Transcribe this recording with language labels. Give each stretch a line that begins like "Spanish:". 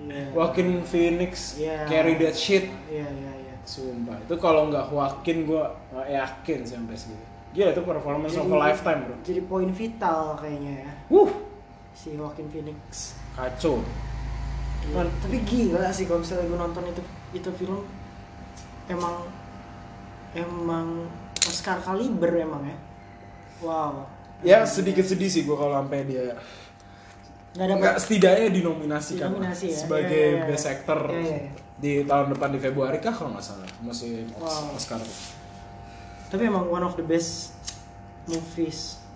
English: Joaquin Phoenix carry that shit.
Indonesian: Sumpah itu kalau nggak Joaquin gue yakin sampai segitu. Gila itu performance jadi,
English: of a lifetime bro.
Indonesian: Jadi poin vital kayaknya ya. Si Joaquin Phoenix. Kacau. Gila. Tapi gila sih kalau misalnya gue nonton itu film emang Oscar kaliber emang ya. Wow. Ya sedikit sedih sih gue kalau sampai dia nggak setidaknya dinominasikan dinominasi, ya? Sebagai best actor. Di tahun depan di Februari kah kalau nggak salah masih Oscar. Tapi emang
English: one of the best movies.